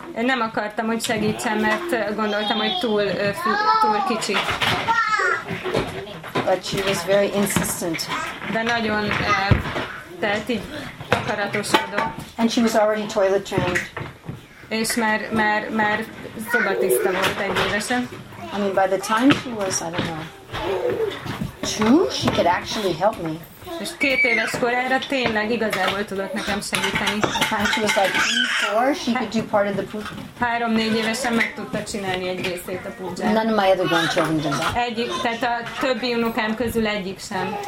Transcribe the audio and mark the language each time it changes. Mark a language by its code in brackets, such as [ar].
[hu] Én nem akartam, hogy segítsen, mert gondoltam, hogy túl kicsi. [en] But she was very insistent. [hu] De nagyon tehát így akaratosodó. [en] And she was already toilet trained. [hu] És már szobatiszta volt egy évesen. [en] I mean, by the time she was, I don't know, 2, she could actually help me. [hu] És 2 éves korára tényleg igazából tudott nekem segíteni. [en] And she was like 3-4, she could do part of the puja. [hu] 3-4 évesen meg tudta csinálni egy részét a puja. [en] None of my other grandchildren did that. [hu] Egyik, tehát a többi unokám közül egyik sem.